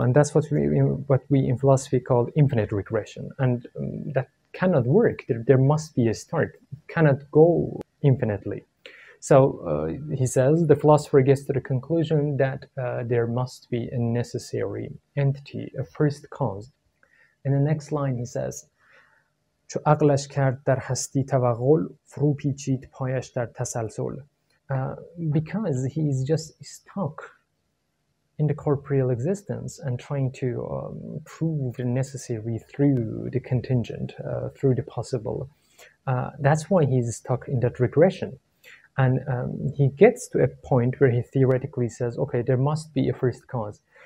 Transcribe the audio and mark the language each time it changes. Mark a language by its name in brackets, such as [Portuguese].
[English] And that's what we in philosophy call infinite regression. And that cannot work. There must be a start. It cannot go infinitely. So he says, the philosopher gets to the conclusion that there must be a necessary entity, a first cause. In the next line, he says, [Persian] چو عقلش کرد در هستی توغل فرو پیچید پایش در تسلسل. [English] Because he's just stuck in the corporeal existence and trying to prove the necessary through the contingent, through the possible. That's why he's stuck in that regression. And he gets to a point where he theoretically says, okay, there must be a first cause.